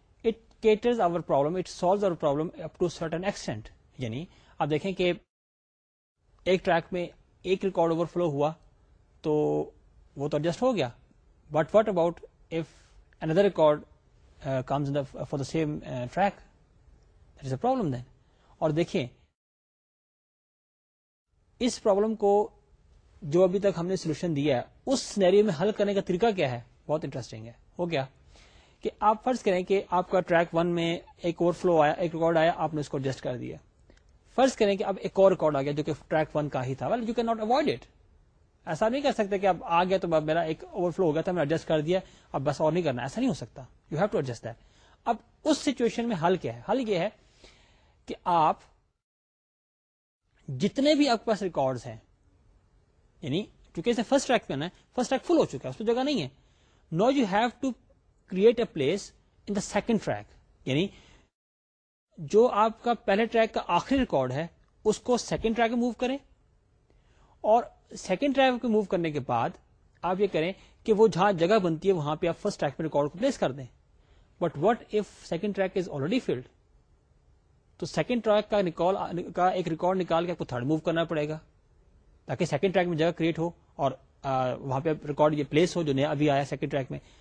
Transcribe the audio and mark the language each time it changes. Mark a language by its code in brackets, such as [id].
[en] It caters our problem, it solves our problem up to a certain extent. [ur] Yani, آپ دیکھیں کہ ایک track میں ایک ریکارڈ اوور فلو ہوا تو وہ تو ایڈجسٹ ہو گیا, [en] But what about if another record comes for the same track, that is a problem then. [ur] اور دیکھیں اس پرابلم کو جو ابھی تک ہم نے سولوشن دیا ہے اس سینیریو میں حل کرنے کا طریقہ کیا ہے, بہت انٹرسٹنگ ہے. ہو گیا کہ آپ فرض کریں کہ آپ کا ٹریک 1 میں ایک اوور فلو آیا, ایک ریکارڈ آیا, آپ نے اس کو ایڈجسٹ کر دیا. فرض کریں کہ اب ایک اور ریکارڈ آ گیا جو کہ ٹریک 1 کا ہی تھا, [en] You can not avoid it. [ur] ایسا نہیں کر سکتے کہ اب آ گیا تو میرا ایک اوور فلو ہو گیا تھا, میں ایڈجسٹ کر دیا, اب بس اور نہیں کرنا. ایسا نہیں ہو سکتا, [en] You have to adjust that. [ur] اب اس سچویشن میں حل کیا ہے؟ حل یہ ہے کہ آپ جتنے بھی آپ کے پاس ریکارڈ ہیں, یعنی فرسٹ ٹریک پہ نا, فرسٹ ٹریک فل ہو چکا ہے, اس پہ جگہ نہیں ہے, [en] Now you have to create a place in the second track. [ur] یعنی جو آپ کا پہلے ٹریک کا آخری ریکارڈ ہے اس کو سیکنڈ ٹریک میں موو کریں, اور سیکنڈ ٹریک کو موو کرنے کے بعد آپ یہ کریں کہ وہ جہاں جگہ بنتی ہے وہاں پہ آپ فرسٹ ٹریک میں ریکارڈ کو پلیس کر دیں. [en] but what if second track is already filled, [ur] تو سیکنڈ ٹریک کا ایک ریکارڈ نکال کے آپ کو تھرڈ موو کرنا پڑے گا تاکہ سیکنڈ ٹریک میں جگہ کریٹ ہو اور وہاں پہ ریکارڈ یہ پلیس ہو جو نیا ابھی آیا سیکنڈ ٹریک میں.